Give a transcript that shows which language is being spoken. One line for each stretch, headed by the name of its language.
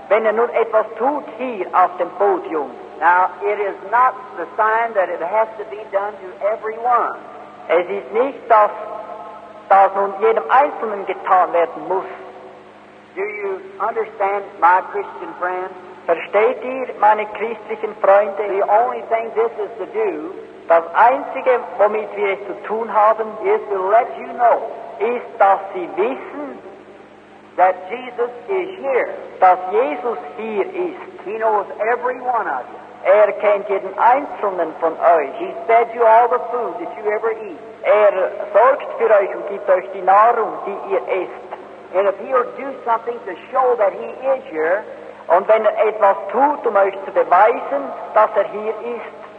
German: wenn nun etwas tut hier auf dem Podium,
English: now, it is not the sign that it has to be done to everyone.
German: Es ist nicht, dass das nun jedem Einzelnen getan werden muss.
English: Do you understand, my Christian friend?
German: Versteht ihr, meine christlichen Freunde?
English: The only thing this is to do,
German: das Einzige, womit wir es zu tun haben,
English: is to let you know,
German: ist, dass sie wissen,
English: that Jesus is here.
German: Dass Jesus hier ist.
English: He knows every one of you.
German: Kennt jeden Einzelnen von euch.
English: He fed you all the food that you ever eat.
German: Sorgt für euch und gibt euch die Nahrung, die ihr esst.
English: And if he'll do something to show that he is here,
German: und wenn etwas tut, euch zu beweisen, dass hier ist,